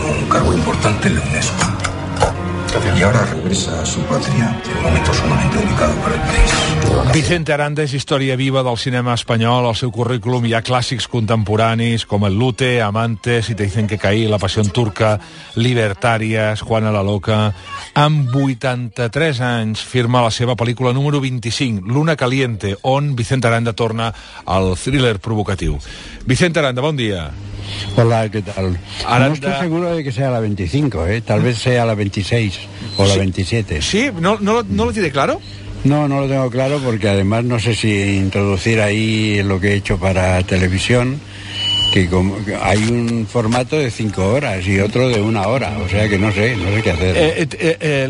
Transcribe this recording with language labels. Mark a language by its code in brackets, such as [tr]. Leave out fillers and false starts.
[es] algo importante en la UNESCO. Gracias. Y ahora regresa a su patria en un momento sumamente delicado para el país. [ca] Vicente Aranda és història viva del cinema espanyol. Al seu currículum hi ha clàssics contemporanis com El Lute, Amante, Si te dicen que caí, La pasión turca, Libertàries, Juana la loca. Amb 83 anys firma la seva pel·lícula número 25, Luna caliente, on Vicente Aranda torna al thriller provocatiu. Vicente Aranda, bon dia. [es] Hola, ¿qué tal? Aranda... No estoy seguro de que sea la 25, ¿eh? Tal vez sea la 26 o la 27. ¿Sí? ¿No lo tiene claro? No, no lo tengo claro porque además no sé si introducir ahí lo que he hecho para televisión, que como hay un formato de 5 horas y otro de 1 hora, o sea que no sé qué hacer.